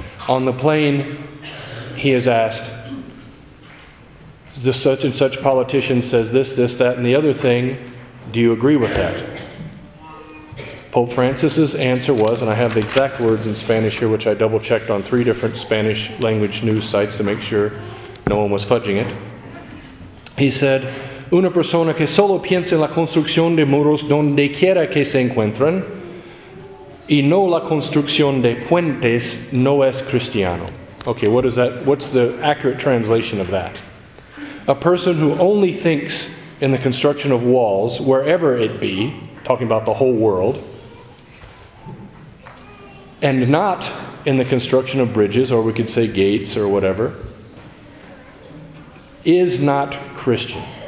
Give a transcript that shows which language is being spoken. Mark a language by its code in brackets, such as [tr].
[en] On the plane, he is asked, the such and such politician says this, this, that, and the other thing. Do you agree with that? Pope Francis's answer was, and I have the exact words in Spanish here, which I double-checked on three different Spanish language news sites to make sure no one was fudging it. He said, [es] una persona que solo piensa en la construcción de muros donde quiera que se encuentren y no la construcción de puentes no es cristiano. [en] Okay, what is that? What's the accurate translation of that? A person who only thinks in the construction of walls, wherever it be, talking about the whole world, and not in the construction of bridges, or we could say gates or whatever, is not Christian.